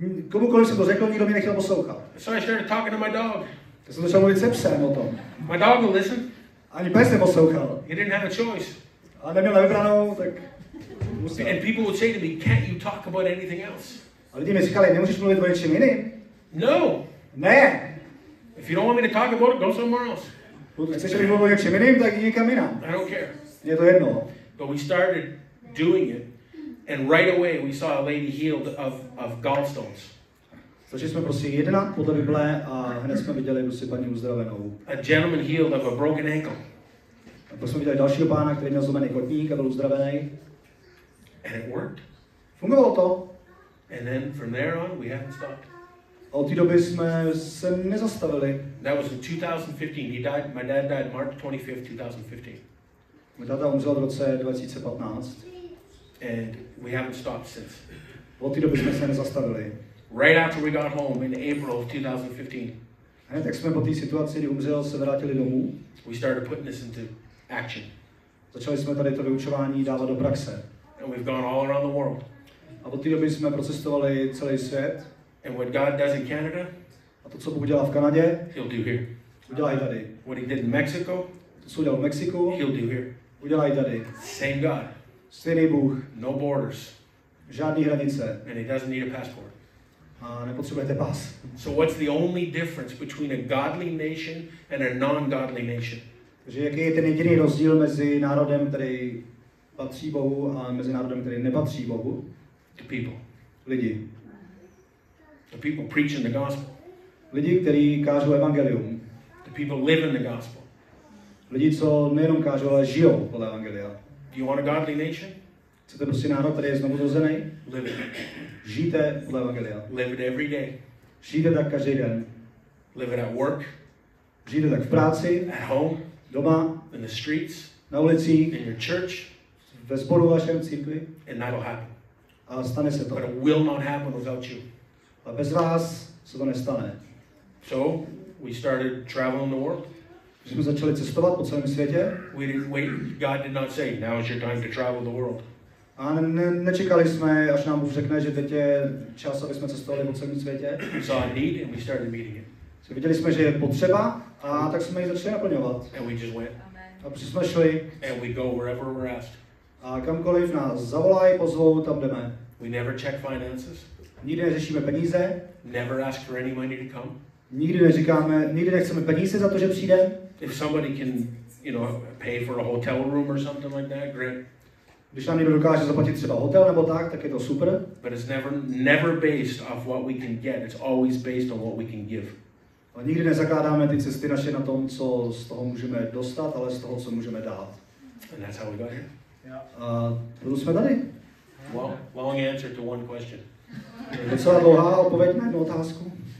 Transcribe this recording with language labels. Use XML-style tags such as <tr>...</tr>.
<cs>Komukoliv jsem to řekl, nikdo mě nechtěl poslouchat.</cs> <en>So I started talking to my dog.</en> <cs>Tak jsem začal mluvit se psem o tom.</cs> <en>My dog will listen.</en> <cs>Ani pes neposlouchal.</cs> <en>He didn't have a choice.</en> <cs>A neměl na vybranou, tak musel.</cs> <en>And people would say to me, can't you talk about anything else?</en> <cs>A lidi mi říkali, nemůžeš mluvit o něčem jiným?</cs> <en>No.</en> <cs>Ne.</cs> <en>If you don't want me to talk about it, go somewhere else.</en> <cs>Pokud chceš, abych mluvil o něčem jiným, tak někam jinam.</cs> <en>I don't care.</en> <cs>Je to jedno.</cs> <en>But we started doing it, and right away we saw a lady healed of gallstones.</en> <cs>Začali jsme prostě jednat podle Bible a hned jsme viděli prostě paní uzdravenou.</cs> <en>A gentleman healed of a broken ankle.</en> <cs>A pak jsme viděli dalšího pána, který měl zlomený kotník a byl uzdravený.</cs> <en>And it worked.</en> <cs>Fungovalo to.</cs> <en>And then from there on, we haven't stopped.</en> <cs>A od té doby jsme se nezastavili.</cs> <en>That was in 2015. He died. My dad died March 25, 2015.</en> <cs>Můj táta umřel v roce 2015.</cs> <en>And we haven't stopped since.</en> <cs>Od té doby jsme se nezastavili.</cs> <en>Right after we got home in April of 2015.</en> <cs>Hned, jak jsme po té situaci, kdy umřel, se vrátili domů.</cs> <en>We started putting this into action.</en> <cs>Začali jsme tady to vyučování dávat do praxe.</cs> <en>And we've gone all around the world.</en> <cs>A od té doby jsme procestovali celý svět.</cs> <en>And what God does in Canada,</en> <cs>a to, co Bůh dělá v Kanadě,</cs> <en>he'll do here.</en> <cs>Udělá i tady.</cs> <en>What he did in Mexico,</en> <cs>to, co udělal v Mexiku,</cs> <en>he'll do here.</en> <cs>Udělá i tady.</cs> <en>Same God.</en> <cs>Stejný Bůh.</cs> <en>No borders.</en> <cs>Žádný hranice.</cs> <en>And he doesn't need a passport.</en> <cs>A nepotřebujete pas.</cs> <en>So what's the only difference between a godly nation and a non-godly nation?</en> <cs>Takže jaký je ten jediný rozdíl mezi národem, který patří Bohu, a mezi národem, který nepatří Bohu?</cs> <en>The people.</en> <cs>Lidi.</cs> <en>The people preaching the gospel.</en> <cs>Lidi, kteří kážou evangelium.</cs> <en>The people living the gospel.</en> <cs>Lidi, co nejenom kážou, ale žijou podle evangelia.</cs> <en>Do you want a godly nation?</en> <cs>Chcete prostě národ, který je znovuzrozený?</cs> <en>Live it.</en> <cs>Žijte podle evangelia.</cs> <en>Live it every day.</en> <cs>Žijte tak každý den.</cs> <en>Live it at work.</en> <cs>Žijte tak v práci.</cs> <en>At home.</en> <cs>Doma.</cs> <en>In the streets.</en> <cs>Na ulici.</cs> <en>In your church.</en> <cs>Ve sboru vašem církvi.</cs> <en>And that'll happen.</en> <cs>A stane se to.</cs> <en>But it will not happen without you.</en> <cs>A bez vás se to nestane.</cs> <en>So, we started traveling the world.</en> <cs>Jsme začali cestovat po celém světě.</cs> <en>We didn't wait. God did not say, now is your time to travel the world.</en> <cs>A nečekali jsme, až nám Bůh řekne, že teď je čas, aby jsme cestovali po celém světě.</cs> <en>We saw a need and we started meeting it.</en> <cs>So, viděli jsme, že je potřeba a tak jsme ji začali naplňovat.</cs> <en>And we just went.</en> <cs>A prostě jsme šli.</cs> <en>And we go wherever we're asked.</en> <cs>A kamkoliv nás zavolají, pozvou, tam jdeme.</cs> <en>We never check finances.</en> <cs>Nikdy neřešíme peníze.</cs> <en>Never ask for any money to come.</en> <cs>Nikdy neříkáme, nikdy nechceme peníze za to, že přijde.</cs> <en>If somebody can, you know, pay for a hotel room or something like that, great.</en> <cs>Když nám někdo dokáže zaplatit třeba hotel nebo tak, tak je to super.</cs> <en>But it's never based off what we can get. It's always based on what we can give.</en> <cs>A nikdy nezakládáme ty cesty naše na tom, co z toho můžeme dostat, ale z toho, co můžeme dát.</cs> <en>And that's how we got here.</en> <cs>Yeah. Proto jsme tady.</cs> <en>Well, long answer to one question.</en> <cs>Docela dlouhá odpověď na jednu otázku.</cs>